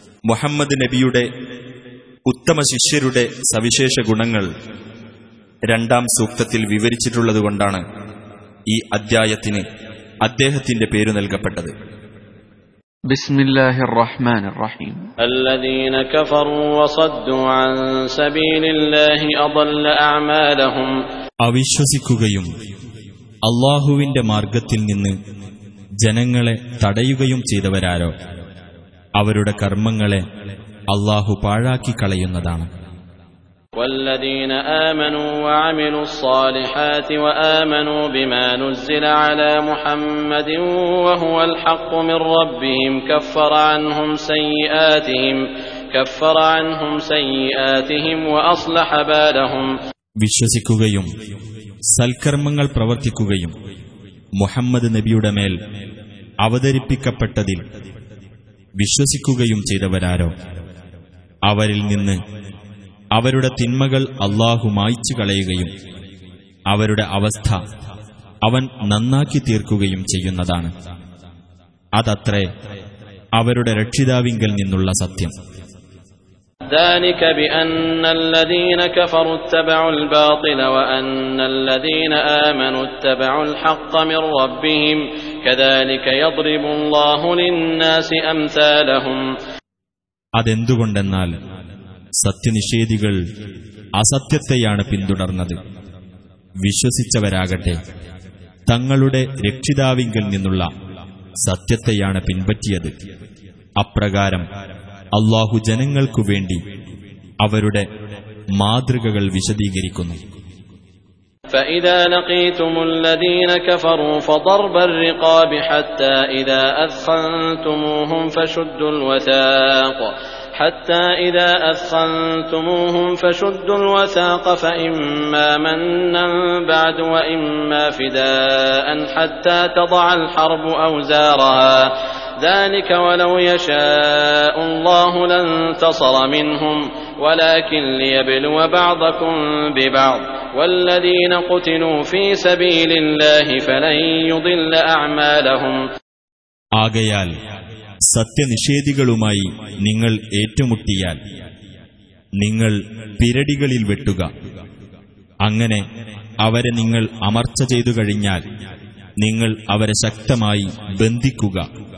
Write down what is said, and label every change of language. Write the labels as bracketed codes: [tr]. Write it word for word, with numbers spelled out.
[ml] മുഹമ്മദ് നബിയുടെ ഉത്തമ ശിഷ്യരുടെ സവിശേഷ ഗുണങ്ങൾ രണ്ടാം സൂക്തത്തിൽ വിവരിച്ചിട്ടുള്ളതുകൊണ്ടാണ് ഈ അദ്ധ്യായത്തിന് അദ്ദേഹത്തിന്റെ പേരു നൽകപ്പെട്ടത്. [ar] ബിസ്മില്ലാഹിർ റഹ്മാനിർ റഹീം. الذين كفروا وصدوا عن سبيل الله أضل أعمالهم. [ml] അവിശ്വസിക്കുകയും അള്ളാഹുവിന്റെ മാർഗത്തിൽ നിന്ന് ജനങ്ങളെ തടയുകയും ചെയ്തവരാരോ അവരുടെ കർമ്മങ്ങളെ അള്ളാഹു പാഴാക്കി കളയുന്നതാണ്. [ar] والذين آمنوا وعملوا الصالحات وآمنوا بما نزل على محمد وهو الحق من ربهم كفر عنهم سيئاتهم كفر عنهم سيئاتهم وأصلح بالهم. [ml] വിശ്വസിക്കുകയും സൽക്കർമ്മങ്ങൾ പ്രവർത്തിക്കുകയും മുഹമ്മദ് നബിയുടെ മേൽ അവതരിപ്പിക്കപ്പെട്ടതിൽ വിശ്വസിക്കുകയും ചെയ്തവരാരോ അവരിൽ നിന്ന് അവരുടെ തിന്മകൾ അല്ലാഹു മായ്ച്ചു കളയുകയും അവരുടെ അവസ്ഥ അവൻ നന്നാക്കി തീർക്കുകയും ചെയ്യുന്നതാണ്. അതത്രേ അവരുടെ രക്ഷിതാവിങ്കൽ നിന്നുള്ള സത്യം. [ar] ذلك بأن الذين كفروا اتبعوا الباطل وأن الذين آمنوا اتبعوا الحق من ربهم كذلك يضرب الله للناس أمثالهم. [ml] അതെന്തുകൊണ്ടെന്നാൽ സത്യനിഷേധികൾ അസത്യത്തെയാണ് പിന്തുടർന്നത്. വിശ്വസിച്ചവരാകട്ടെ തങ്ങളുടെ രക്ഷിതാവിങ്കിൽ നിന്നുള്ള സത്യത്തെയാണ് പിൻപറ്റിയത്. അപ്രകാരം അല്ലാഹു ജനങ്ങൾക്കു വേണ്ടി അവരുടെ മാതൃകകൾ വിശദീകരിക്കുന്നു. [ar] فإذا لقيتم الذين كفروا فضرب الرقاب حتى إذا أثخنتموهم فشدوا الوثاق حتى إذا أثخنتموهم فشدوا الوثاق فإما منا بعد وإما فداء حتى تضع الحرب أوزارها ذلك ولو يشاء الله لانتصر منهم ولكن ليبلو بعضكم ببعض والذين قتلوا في سبيل الله فلن يضل أعمالهم. [ml] ആകയാൽ സത്യനിഷേധികളുമായി നിങ്ങൾ ഏറ്റുമുട്ടിയാൽ നിങ്ങൾ പിരടികളിൽ വെട്ടുക. അങ്ങനെ അവരെ നിങ്ങൾ അമർച്ച ചെയ്തു കഴിഞ്ഞാൽ നിങ്ങൾ അവരെ ശക്തമായി ബന്ധിക്കുക.